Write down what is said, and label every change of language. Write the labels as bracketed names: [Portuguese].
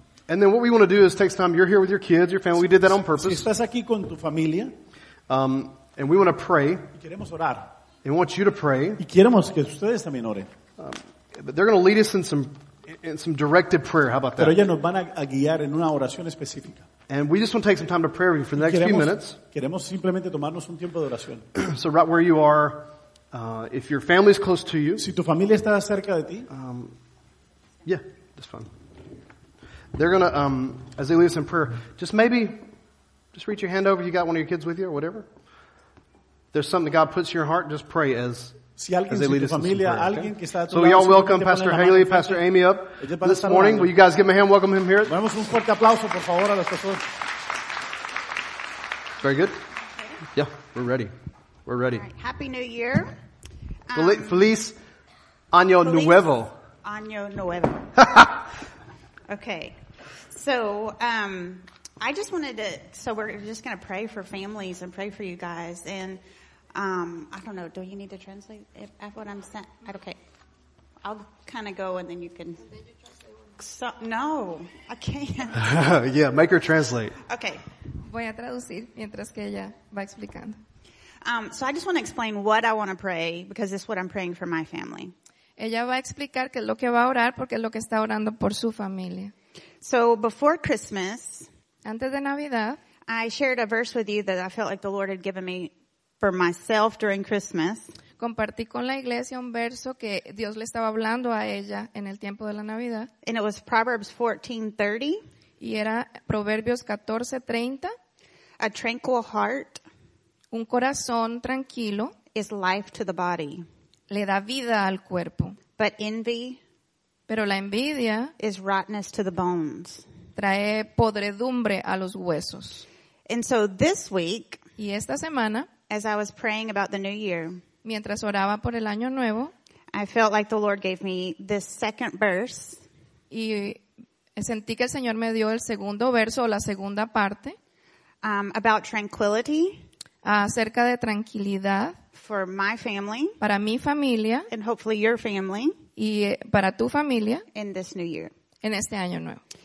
[English] And then what we want to do is take some time. You're here with your kids, your family. We did that on purpose. [Spanish] Si estás aquí con tu familia, [English] and we want to pray. [Spanish] Y queremos orar. [English] And want you to pray. [Spanish] Y queremos que ustedes también oren. [English] But they're going to lead us in some directed prayer. How about that? [Spanish] Pero ellos nos van a guiar en una oración específica. [English] And we just want to take some time to pray for you for the next few minutes. [Spanish] Queremos simplemente tomarnos un tiempo de oración. [English] So right where you are, if your family is close to you. [Spanish] Si tu familia está cerca de ti. [English] Yeah, that's fine. They're going to, as they lead us in prayer, just reach your hand over. You got one of your kids with you or whatever. There's something that God puts in your heart. Just pray as they lead us in prayer. [Spanish] Alguien que está a tu [English] so we all welcome Pastor Haley, Pastor Amy up this morning. Will you guys give him a hand? Welcome him here. [Spanish] Vamos un fuerte aplauso, por favor, a los pastores. [English] Very good. Yeah, we're ready. We're ready. Right. Happy New Year. [Spanish] Feliz Año Feliz Nuevo. Año Nuevo. Okay. [English] So, I just wanted to, so we're just going to pray for families and pray for you guys. And I don't know. Do you need to translate if what I'm saying? Okay. I'll kind of go and then you can. No, I can't. Yeah, make her translate. Okay. [Spanish] Voy a traducir mientras que ella va explicando. [English] So I just want to explain what I want to pray because this is what I'm praying for my family. [Spanish] Ella va a explicar qué es lo que va a orar porque es lo que está orando por su familia. [English] So before Christmas, [Spanish] antes de Navidad, [English] I shared a verse with you that I felt like the Lord had given me for myself during Christmas. [Spanish] Compartí con la iglesia un verso que Dios le estaba hablando a ella en el tiempo de la Navidad. [English] And it was Proverbs 14:30. [Spanish] Y era Proverbios 14:30. [English] A tranquil heart, [Spanish] un corazón tranquilo, [English] is life to the body. [Spanish] Le da vida al cuerpo. [English] But envy, [Spanish] pero la envidia, [English] is rottenness to the bones. [Spanish] Trae podredumbre a los huesos. [English] And so this week, [Spanish] y esta semana, [English] as I was praying about the new year, [Spanish] mientras oraba por el año nuevo, [English] I felt like the Lord gave me this second verse. [Spanish] Y Sentí que el Señor me dio el segundo verso o la segunda parte. [English] About tranquility. [Spanish] Acerca de tranquilidad. [English] For my family. [Spanish] Para mi familia. [English] And hopefully your family. [Spanish] Y para tu familia. [English] In this new year. [Spanish] En este año nuevo.